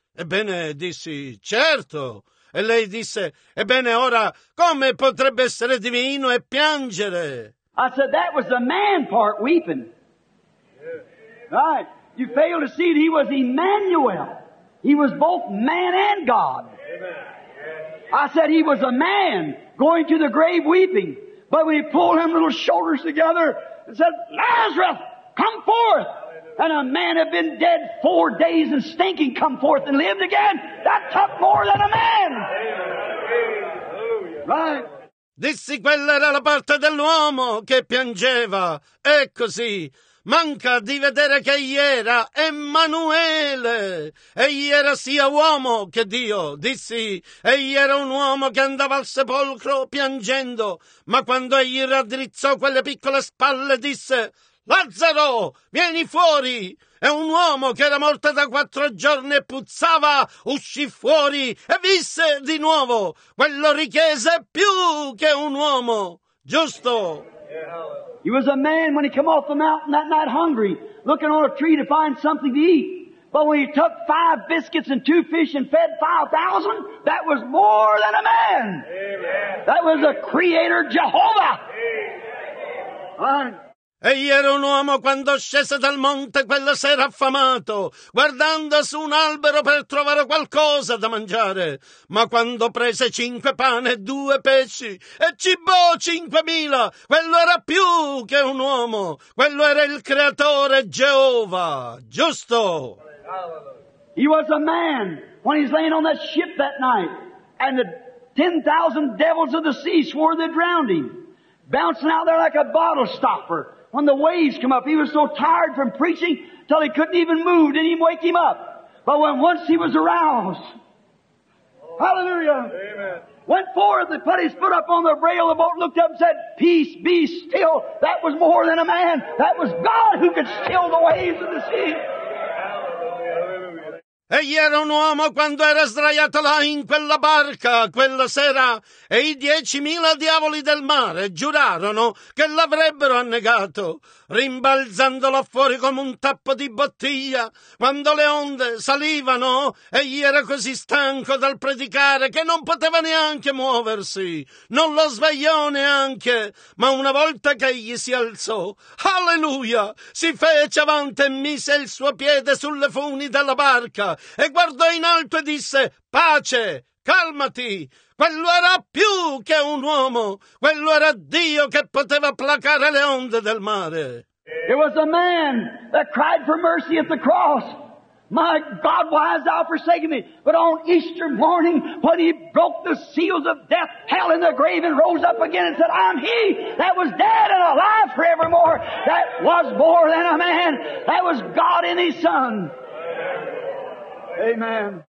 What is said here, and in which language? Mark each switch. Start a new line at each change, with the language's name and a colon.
Italian: Ebbene, dissi, certo. E lei disse, ebbene, ora, come potrebbe essere divino e piangere?
English: I said, that was the man part weeping. Right, you fail to see that he was Emmanuel. He was both man and God. I said he was a man going to the grave weeping. But when he pulled his little shoulders together and said, Lazarus, come forth. And a man had been dead 4 days and stinking, come forth and lived again. That took more than a man. Right?
Italian: Dissi, quella era la parte dell'uomo che piangeva. E così. Manca di vedere che egli era Emmanuele. Egli era sia uomo che Dio, dissi. Egli era un uomo che andava al sepolcro piangendo. Ma quando egli raddrizzò quelle piccole spalle, disse, Lazzaro, vieni fuori! E un uomo che era morto da 4 giorni e puzzava, uscì fuori e visse di nuovo. Quello richiese più che un uomo, giusto?
English: He was a man when he came off the mountain that night hungry, looking on a tree to find something to eat. But when he took 5 biscuits and 2 fish and fed 5,000, that was more than a man. Amen. That was the Creator Jehovah. Amen.
Italian: Egli era un uomo quando scese dal monte quella sera affamato, guardando su un albero per trovare qualcosa da mangiare. Ma quando prese 5 pane e 2 pesci e cibò 5,000, quello era più che un uomo. Quello era il Creatore Geova, giusto?
English: He was a man when he's laying on that ship that night, and the 10,000 devils of the sea swore they drowned him, bouncing out there like a bottle stopper. When the waves come up, he was so tired from preaching till he couldn't even move, didn't even wake him up. But when once he was aroused, oh, hallelujah, amen. Went forth and put his foot up on the rail of the boat, looked up and said, peace, be still. That was more than a man. That was God who could still the waves of the sea.
Italian: Egli era un uomo quando era sdraiato là in quella barca quella sera e i 10,000 diavoli del mare giurarono che l'avrebbero annegato, rimbalzandolo fuori come un tappo di bottiglia. Quando le onde salivano, egli era così stanco dal predicare che non poteva neanche muoversi. Non lo svegliò neanche, ma una volta che egli si alzò, alleluia, si fece avanti e mise il suo piede sulle funi della barca. E guardò in alto e disse, pace, calmati, quello era più che un uomo, quello era Dio che poteva placare le onde del mare.
English: It was a man that cried for mercy at the cross, my God, why hast thou forsaken me? But on Easter morning, when he broke the seals of death, hell and the grave, and rose up again and said, I'm he that was dead and alive forevermore, that was more than a man, that was God in his Son. Amen.